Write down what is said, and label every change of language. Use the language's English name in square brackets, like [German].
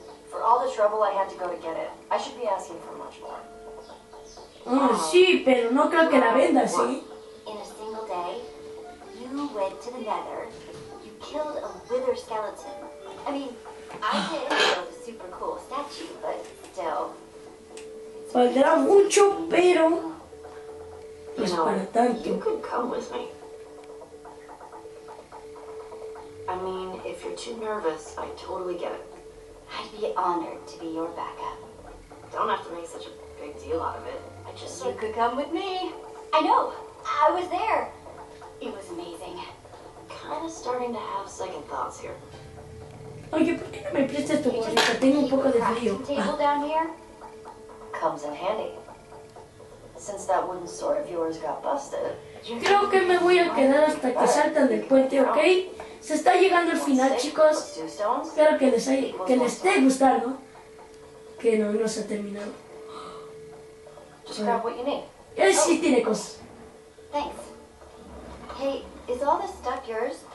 [English] For all the trouble I had to go to get it, I should be asking for much more. [Spanish] Sí, pero no creo que la venda, ¿sí? [English] In a single day, you went to the nether, you killed a wither skeleton. I mean, I did build a super cool statue, but still. [Spanish] Valdrá mucho, pero... [English] You know, [Spanish] para tanto. [English] You could come with me. I mean, if you're too nervous, I totally get it. I'd be honored to be your backup. Don't have to make such a big deal out of it. I just said... You could come with me. I know. I was there. It was amazing. Kind of starting to have second thoughts here. [Spanish] Oye, ¿por qué no me prestas tu bolsita? Tengo un poco de frío. [English] Table down here? Comes in handy. Since that wooden sword of yours got busted... [Spanish] Creo que me voy a quedar hasta que saltan del puente, ¿ok? Se está llegando el final, chicos. Espero que les esté gustando. Que no, no se ha terminado. [English] Just grab what you need. [Spanish] Sí, tiene cosas. [English] Thanks. Here. Hey, is all this stuff yours?